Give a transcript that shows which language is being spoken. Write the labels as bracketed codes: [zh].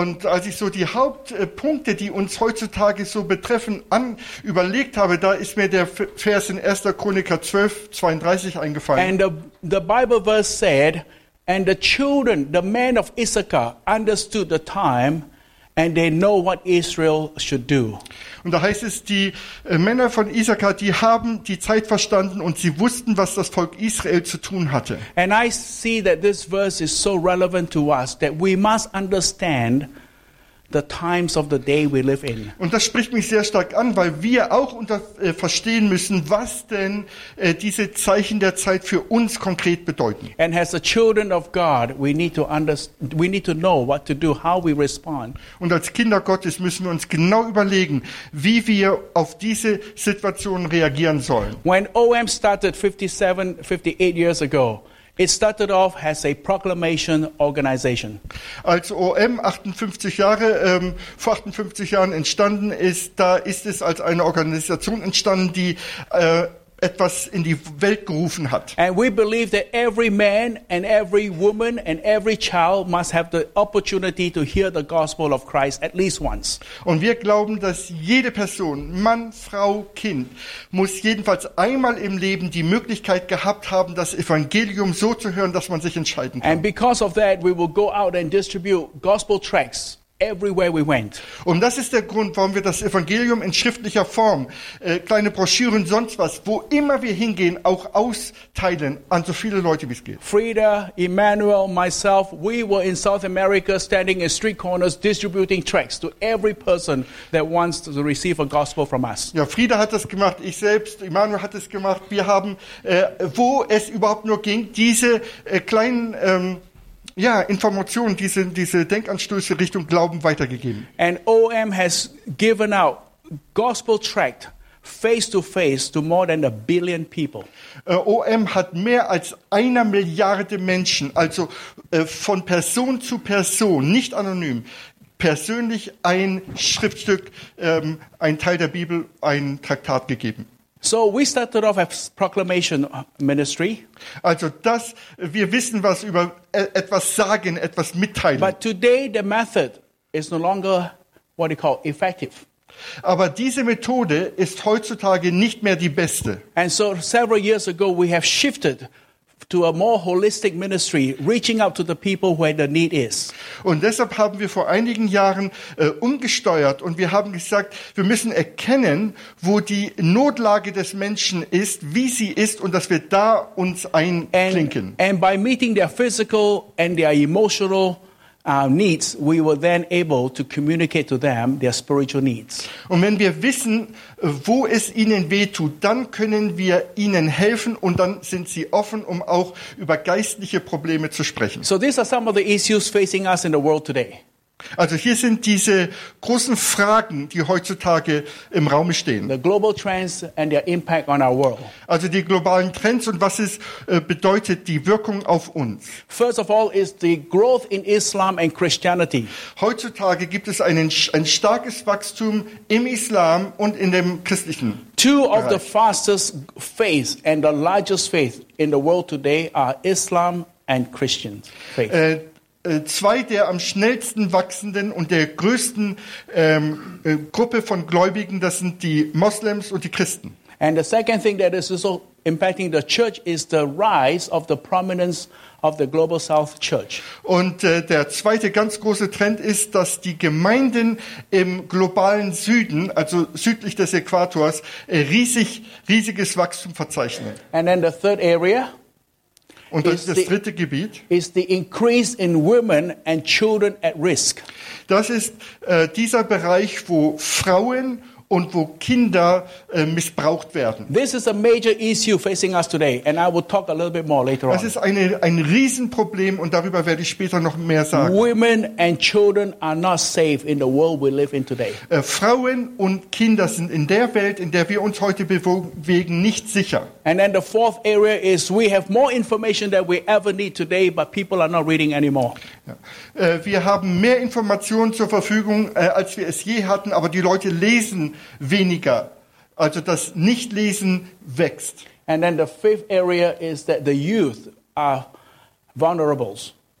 [de] Und als ich so die Hauptpunkte, die uns heutzutage so betreffen, überlegt habe, da ist mir der Vers in 1. Chroniker 12, 32 eingefallen. [en] And the Bible verse said, and the children, the men of Issachar, understood the time, and they know what Israel should do. [de] Und da heißt es, die Männer von Issachar, die haben die Zeit verstanden und sie wussten, was das Volk Israel zu tun hatte. [en] And I see that this verse is so relevant to us that we must understand the times of the day we live in. [de] Und das spricht mich sehr stark an, weil wir auch verstehen müssen, was denn diese Zeichen der Zeit für uns konkret bedeuten. [en] And as the children of God, we need to know what to do, how we respond. [de] Und als Kinder Gottes müssen wir uns genau überlegen, wie wir auf diese Situation reagieren sollen. [en] When OM started 57, 58 years ago, it started off as a proclamation organization. [de] Als OM 58 Jahre vor 58 Jahren entstanden ist, da ist es als eine Organisation entstanden, die etwas in die Welt gerufen hat. [en] And we believe that every man and every woman and every child must have the opportunity to hear the gospel of Christ at least once. [de] Und wir glauben, dass jede Person, Mann, Frau, Kind, muss jedenfalls einmal im Leben die Möglichkeit gehabt haben, das Evangelium so zu hören, dass man sich entscheiden kann. [en] And because of that, we will go out and distribute gospel tracts everywhere we went. [de] Und das ist der Grund, warum wir das Evangelium in schriftlicher Form, kleine Broschüren, sonst was, wo immer wir hingehen, auch austeilen an so viele Leute, wie es geht. [en] Frieda, Emmanuel, myself, we were in South America standing in street corners distributing tracts to every person that wants to receive a gospel from us. [de] Ja, Frieda hat das gemacht, ich selbst, Emmanuel hat das gemacht. Wir haben, wo es überhaupt nur ging, diese kleinen Informationen, diese Denkanstöße Richtung Glauben weitergegeben. [en] And OM has given out gospel tract face to face to more than 1 billion people. [de] OM hat mehr als 1 Milliarde Menschen, also von Person zu Person, nicht anonym, persönlich ein Schriftstück, ein Teil der Bibel, ein Traktat gegeben. [en] So we started off as proclamation ministry. [de] Also das, wir wissen was über etwas sagen, etwas mitteilen. [en] But today the method is no longer what you call effective. [de] Aber diese Methode ist heutzutage nicht mehr die beste. [en] And so several years ago we have shifted to a more holistic ministry, reaching out to the people where the need is. [de] Und deshalb haben wir vor einigen Jahren umgesteuert und wir haben gesagt, wir müssen erkennen, wo die Notlage des Menschen ist, wie sie ist, und dass wir da uns einklinken. [en] And by meeting their physical and their emotional needs, we were then able to communicate to them their spiritual needs. [de] Und wenn wir wissen, wo es ihnen wehtut, dann können wir ihnen helfen und dann sind sie offen, um auch über geistliche Probleme zu sprechen. [en] So these are some of the issues facing us in the world today. [de] Also hier sind diese großen Fragen, die heutzutage im Raum stehen. [en] The global trends and their impact on our world. [de] Also die globalen Trends und was es bedeutet, die Wirkung auf uns. [en] First of all is the growth in Islam and Christianity. [de] Heutzutage gibt es ein starkes Wachstum im Islam und in dem christlichen Bereich. [en] Two of the fastest faiths and the largest faith in the world today are Islam and Christian faith. [de] Zwei der am schnellsten wachsenden und der größten Gruppe von Gläubigen, das sind die Moslems und die Christen. [en] And the second thing that is also impacting the church is the rise of the prominence of the Global South Church. [de] Und der zweite ganz große Trend ist, dass die Gemeinden im globalen Süden, also südlich des Äquators, riesiges Wachstum verzeichnen. [en] And then the third area. [de] Und das ist das dritte Gebiet. [en] Is the increase in women and children at risk. [de] Das ist dieser Bereich, wo Frauen und wo Kinder missbraucht werden. [en] This is a major issue facing us today, and I will talk a little bit more later on. [de] Das ist ein Riesenproblem, und darüber werde ich später noch mehr sagen. [en] Women and children are not safe in the world we live in today. [de] Frauen und Kinder sind in der Welt, in der wir uns heute bewegen, nicht sicher. [en] And then the fourth area is we have more information than we ever need today, but people are not reading anymore. [de] Wir haben mehr Informationen zur Verfügung, als wir es je hatten, aber die Leute lesen weniger. Also das Nichtlesen wächst. [en] And then the fifth area is that the youth are vulnerables.